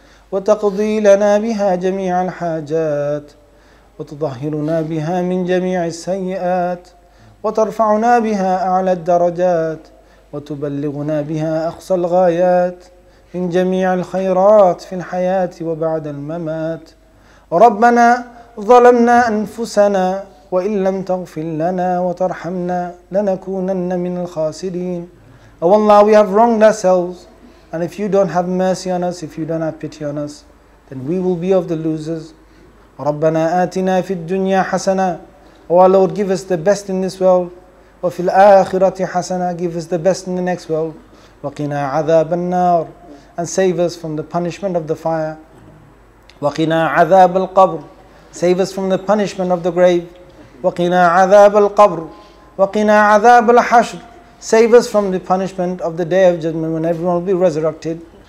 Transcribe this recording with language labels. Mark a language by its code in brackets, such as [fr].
[ar] wa taqdi lana biha jami'al hajat wa tudahhiruna biha min jami'is sayyiat wa tarfa'una biha a'la ad-darajat وتبلغنا بها أقصى الغايات من جميع الخيرات في الحياة وبعد الممات ربنا ظلمنا أنفسنا وإن لم تغفر لنا وترحمنا لنكونن من الخاسرين. [en] Oh Allah, we have wronged ourselves, and if you don't have mercy on us, if you don't have pity on us, then we will be of the losers. [ar] ربنا آتنا في الدنيا حسنة. [en] Oh our Lord, give us the best in this world. [ar] وفي الآخرة حسنة, [en] give us the best in the next world. [ar] وقنا عذاب النار, [en] and save us from the punishment of the fire. [ar] وقنا عذاب القبر, [en] save us from the punishment of the grave. [ar] وقنا عذاب القبر, وقنا عذاب الحشر, [en] save us from the punishment of the day of judgment when everyone will be resurrected.